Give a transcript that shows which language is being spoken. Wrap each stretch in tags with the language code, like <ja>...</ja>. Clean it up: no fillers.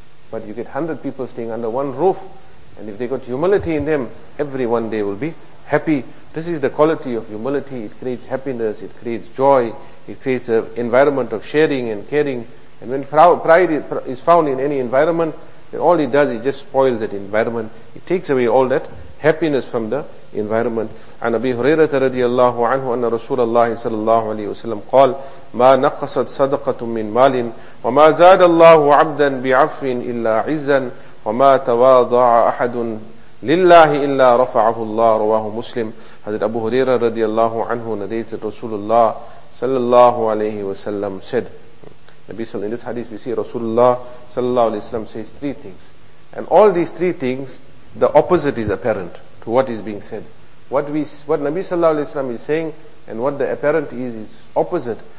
<en>But you get 100 people staying under one roof, and if they got humility in them, every one day will be happy. This is the quality of humility. It creates happiness, it creates joy, it creates an environment of sharing and caring. And when pride is found in any environment, then all it does is just spoils that environment. It takes away all that happiness from the environment.</en> <ar>عن أبي هريرة رضي الله عنه أن رسول الله صلى الله عليه وسلم قال ما نقصت صدقة من مال وما زاد الله عبدا بعفو إلا عزا وما تواضع أحد لله إلا رفعه الله رواه مسلم. حضرت أبو هريرة رضي الله عنه نديت رسول الله صلى الله عليه وسلم</ar> <en>said, Nabi صلى الله عليه وسلم, in this hadith we see Rasulullah صلى الله عليه وسلم says 3 things, and all these 3 things, the opposite is apparent to what is being said. What Nabi sallallahu alayhi wa sallam is saying and what the apparent is opposite.</en>